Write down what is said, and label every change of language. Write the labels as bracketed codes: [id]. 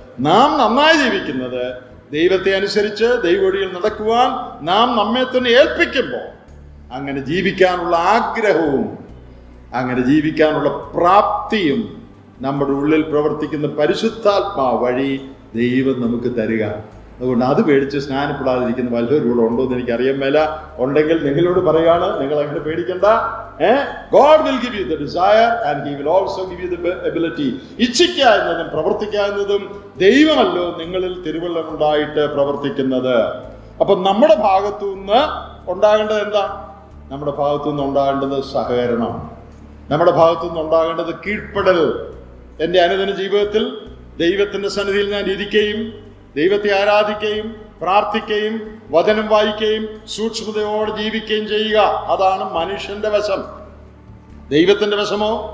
[ml] നാം നന്നായി ജീവിക്കുന്നത് ദൈവത്തെ അനുസരിച്ച് ദൈവവഴിയിൽ നടക്കുവാൻ നാം നമ്മെ തന്നെ ഏൽപ്പിക്കുമ്പോൾ അങ്ങനെ ജീവിക്കാനുള്ള ആഗ്രഹവും അങ്ങനെ ജീവിക്കാനുള്ള പ്രാപ്തിയും നമ്മുടെ ഉള്ളിൽ പ്രവർത്തിക്കുന്ന പരിശുദ്ധാത്മാ വഴി ദൈവം നമുക്ക് തരിക. അതുകൊണ്ട് അത് പേടിച്ച് സ്നാനപ്പെടാതിരിക്കുന്ന വല്ലവരും കൂടെ ഉണ്ടോ എന്ന് എനിക്കറിയാൻ മേല. ഉണ്ടെങ്കിൽ നിങ്ങളോട് പറയുകയാണ്, നിങ്ങൾ അങ്ങനെ പേടിക്കണ്ട. [en] God will give you the desire and he will also give you the ability. [ml] ഇച്ഛിക്കാവുന്നതും പ്രവർത്തിക്കാവുന്നതും ദൈവമല്ലോ നിങ്ങളിൽ തിരുവല്ലം ഉണ്ടായിട്ട് പ്രവർത്തിക്കുന്നത്. അപ്പൊ നമ്മുടെ ഭാഗത്തു നിന്ന് ഉണ്ടാകേണ്ടത് എന്താ? നമ്മുടെ ഭാഗത്തു നിന്ന് ഉണ്ടാകേണ്ടത് സഹകരണം, നമ്മുടെ ഭാഗത്തു നിന്ന് ഉണ്ടാകേണ്ടത് കീഴ്പ്പെടൽ. എന്റെ അനുദിന ജീവിതത്തിൽ ദൈവത്തിന്റെ സന്നിധിയിൽ ഞാൻ ഇരിക്കുകയും ദൈവത്തെ ആരാധിക്കുകയും പ്രാർത്ഥിക്കുകയും വചനം വായിക്കുകയും സൂക്ഷ്മതയോടെ ജീവിക്കുകയും ചെയ്യുക, അതാണ് മനുഷ്യന്റെ വശം. ദൈവത്തിന്റെ വശമോ?